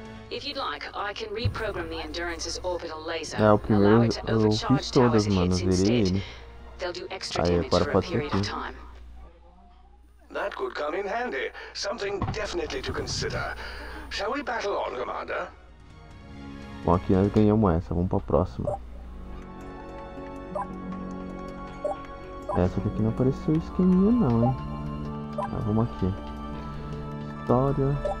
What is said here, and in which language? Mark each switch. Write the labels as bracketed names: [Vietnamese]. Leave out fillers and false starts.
[English] If you'd like, I can reprogram the Endurance's orbital laser. [Portuguese] É o primeiro, eu fiz todas, mano, virei ele. Aí, agora pode ser aqui. [English] That could come in handy. Something definitely to consider. Shall we battle on, Commander? [Portuguese] Bom, aqui nós ganhamos essa, vamos pra próxima. Essa aqui não apareceu esqueminha não, hein? Ah, vamos aqui. História.